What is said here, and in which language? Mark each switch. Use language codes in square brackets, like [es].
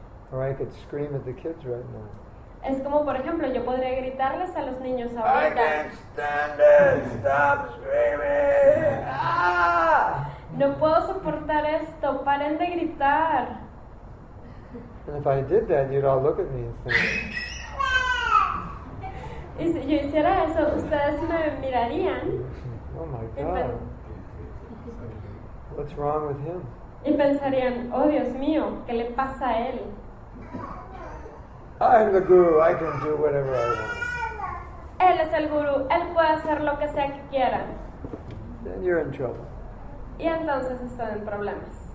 [en] Or I could scream at the kids right now. [es] Es como, por ejemplo, yo podría gritarles a los niños ahorita. [en] I can't stand it! Stop screaming! Ah! [es] No puedo soportar esto. Paren de gritar. [en] And if I did that, you'd all look at me and think. [es] Y si yo hiciera eso, ustedes me mirarían. [en] Oh my God. What's wrong with him? [es] Y pensarían, oh Dios mío, ¿qué le pasa a él? [en] I'm the guru, I can do whatever I want. [es] Él es el guru, él puede hacer lo que sea que quiera. [en] Then you're in trouble. [es] Y entonces están en problemas.